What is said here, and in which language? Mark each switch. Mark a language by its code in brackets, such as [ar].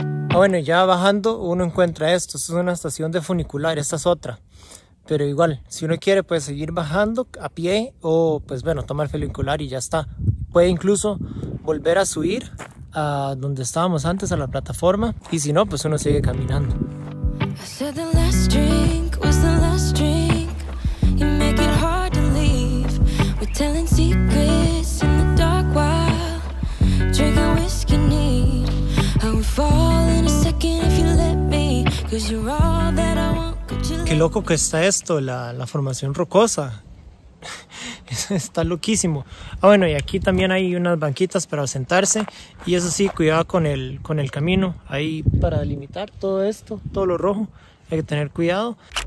[es] Ah, bueno, ya bajando uno encuentra esto. Esto es una estación de funicular, esta es otra. Pero igual, si uno quiere puede seguir bajando a pie o pues bueno, toma el funicular y ya está. Puede incluso volver a subir a donde estábamos antes, a la plataforma. Y si no, pues uno sigue caminando. [en] said the last drink was the last drink. You make it hard to leave. We're telling secrets in the dark while drinking whiskey neat. I would fall in a second if you let me, 'cause you're all that I want. [es] Qué loco que está esto, la formación rocosa. Está loquísimo. Ah, bueno, y aquí también hay unas banquitas para sentarse. Y eso sí, cuidado con el camino. Ahí para delimitar todo esto, todo lo rojo. Hay que tener cuidado.